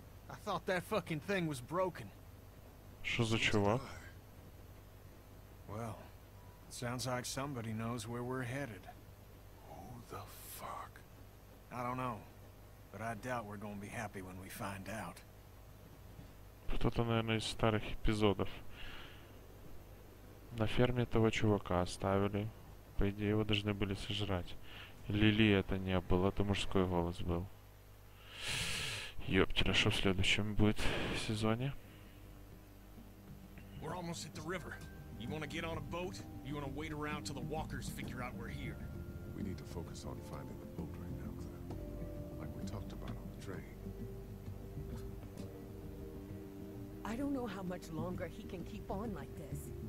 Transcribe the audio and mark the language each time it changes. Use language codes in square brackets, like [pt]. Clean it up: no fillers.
[en] I thought that fucking thing was broken. [ru] Что за чувак? [en] Well, it sounds like somebody knows where we're headed. Who the fuck? I don't know, but I doubt we're gonna be happy when we find out. [ru] Кто-то, наверное, из старых эпизодов. На ферме этого чувака оставили. По идее, его должны были сожрать. Лили это не было, это мужской голос был. Ёптеля, что в следующем будет сезоне? [en] We're almost at the river. You wanna get on a boat? You wanna wait around till the walkers figure out we're here? We need to focus on finding the boat right now, Claire. Like we talked about on the train. I don't know how much longer he can keep on like this.